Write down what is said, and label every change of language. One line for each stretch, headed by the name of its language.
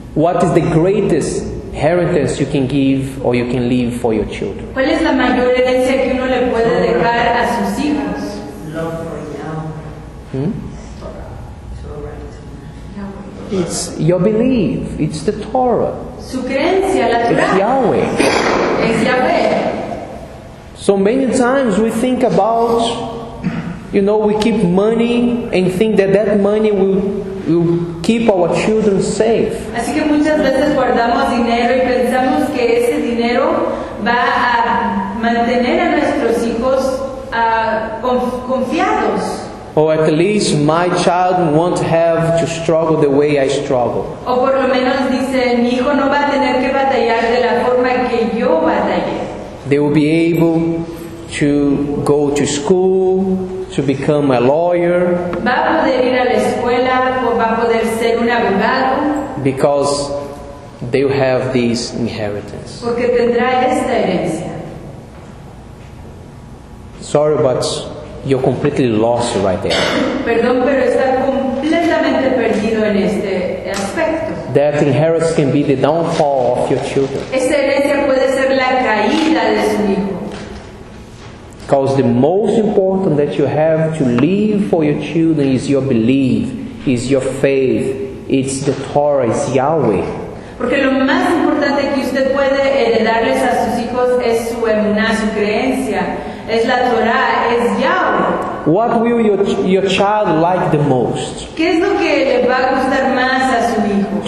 English: What is the greatest inheritance you can give or you can leave for your children?
Spanish: ¿Cuál es la mayor herencia que uno le puede dejar a sus hijos?
English: It's your belief. It's the Torah.
Spanish: Su creencia, la Torah.
English: It's Yahweh.
Spanish: Es Yahweh.
English: So many times we think about, you know, we keep money and think that that money will keep our children safe.
Spanish: Así que muchas veces guardamos dinero y pensamos que ese dinero va a mantener a nuestros hijos confiados.
English: Or at least my child won't have to struggle the way I struggle.
Spanish: O por lo menos dice, mi hijo no va a tener que batallar de la forma que yo batallé.
English: They will be able to go to school, to become a lawyer.
Spanish: Va a poder ir a la escuela, o va a poder ser un abogado.
English: Because they will have this inheritance.
Spanish: Porque tendrá esta herencia.
English: Sorry, but you're completely lost right there.
Spanish: Perdón, pero está completamente perdido en este aspecto.
English: That inheritance can be the downfall of your children.
Spanish: Esta herencia puede ser la caída de su hijo.
English: Because the most important that you have to leave for your children is your belief, is your faith, it's the Torah, it's Yahweh.
Spanish: Porque lo más importante que usted puede heredarles a sus hijos es su emuná, su creencia. Es la Torah, es Yahweh.
English: What will your child like the most?
Spanish: ¿Qué es lo que le va a gustar más a su hijo?